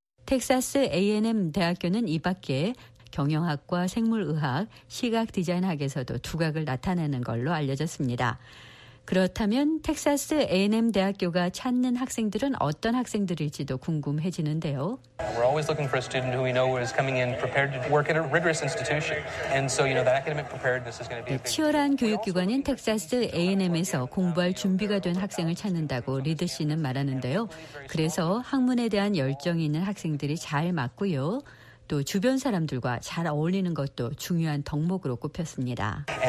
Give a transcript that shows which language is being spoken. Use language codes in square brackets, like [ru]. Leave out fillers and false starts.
[ko] 텍사스 A&M 대학교는 이 밖에 경영학과 생물의학, 시각 디자인학에서도 두각을 나타내는 걸로 알려졌습니다. 그렇다면 텍사스 A&M 대학교가 찾는 학생들은 어떤 학생들일지도 궁금해지는데요. [en] We're always looking for a student who we know is coming in prepared to work at a rigorous institution. And so, you know, that academic preparedness is going to be a big deal. [ko] 치열한 교육기관인 텍사스 A&M에서 공부할 준비가 된 학생을 찾는다고 리드 씨는 말하는데요. 그래서 학문에 대한 열정이 있는 학생들이 잘 맞고요. 또 주변 사람들과 잘 어울리는 것도 중요한 덕목으로 꼽혔습니다.